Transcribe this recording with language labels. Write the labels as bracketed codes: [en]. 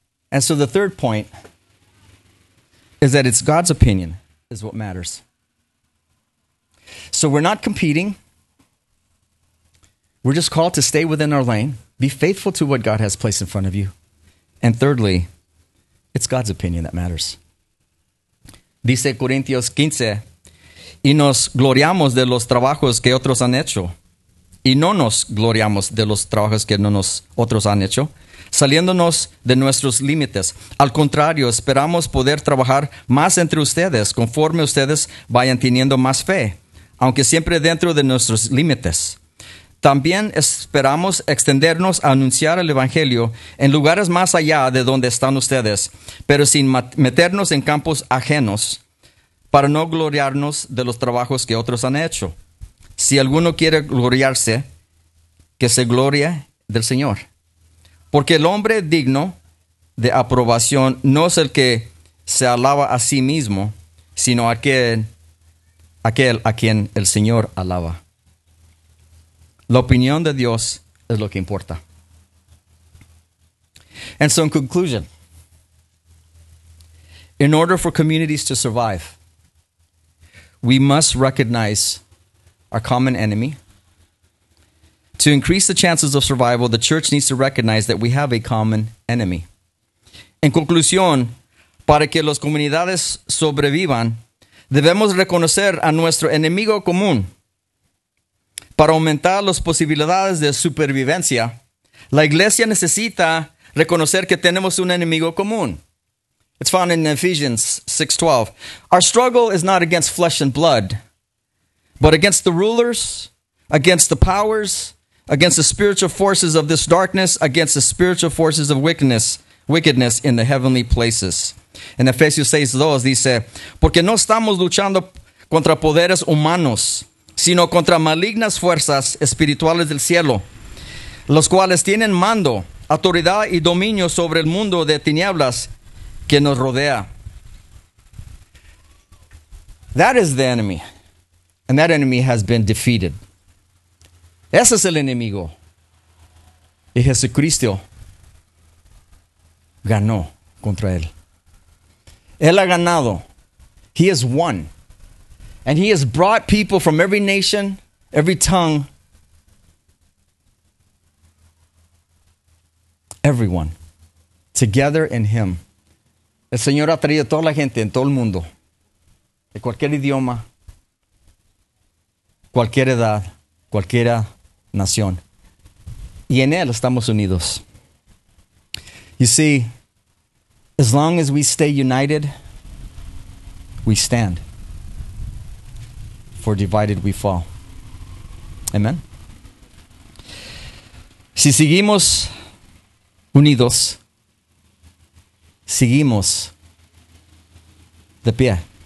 [en] And so the third point is that it's God's opinion is what matters. So we're not competing. We're just called to stay within our lane. Be faithful to what God has placed in front of you. And thirdly, it's God's opinion that matters. [es] Dice Corintios 15, y nos gloriamos de los trabajos que otros han hecho, y no nos gloriamos de los trabajos que otros han hecho. saliéndonos de nuestros límites. Al contrario, esperamos poder trabajar más entre ustedes conforme ustedes vayan teniendo más fe, aunque siempre dentro de nuestros límites. También esperamos extendernos a anunciar el Evangelio en lugares más allá de donde están ustedes, pero sin meternos en campos ajenos para no gloriarnos de los trabajos que otros han hecho. Si alguno quiere gloriarse, que se gloria del Señor. Porque el hombre digno de aprobación no es el que se alaba a sí mismo, sino aquel a quien el Señor alaba. La opinión de Dios es lo que importa. [en] And so in conclusion, in order for communities to survive, we must recognize our common enemy. To increase the chances of survival, the church needs to recognize that we have a common enemy. [es] En conclusión, para que las comunidades sobrevivan, debemos reconocer a nuestro enemigo común. Para aumentar las posibilidades de supervivencia, la iglesia necesita reconocer que tenemos un enemigo común. [en] It's found in Ephesians 6:12. Our struggle is not against flesh and blood, but against the rulers, against the powers, against the spiritual forces of this darkness, against the spiritual forces of wickedness in the heavenly places. [es] En Efesios 6:2 dice, porque no estamos luchando contra poderes humanos, sino contra malignas fuerzas espirituales del cielo, los cuales tienen mando, autoridad y dominio sobre el mundo de tinieblas que nos rodea. [en] That is the enemy. And that enemy has been defeated. [es] Ese es el enemigo. Y Jesucristo ganó contra él. Él ha ganado. [en] He has won. And he has brought people from every nation, every tongue, everyone, together in him. [es] El Señor ha traído a toda la gente en todo el mundo, de cualquier idioma, cualquier edad, cualquier nación. Y en él estamos unidos. [en] You see, as long as we stay united, we stand. For divided we fall. Amen. [es] Si seguimos unidos, seguimos de pie.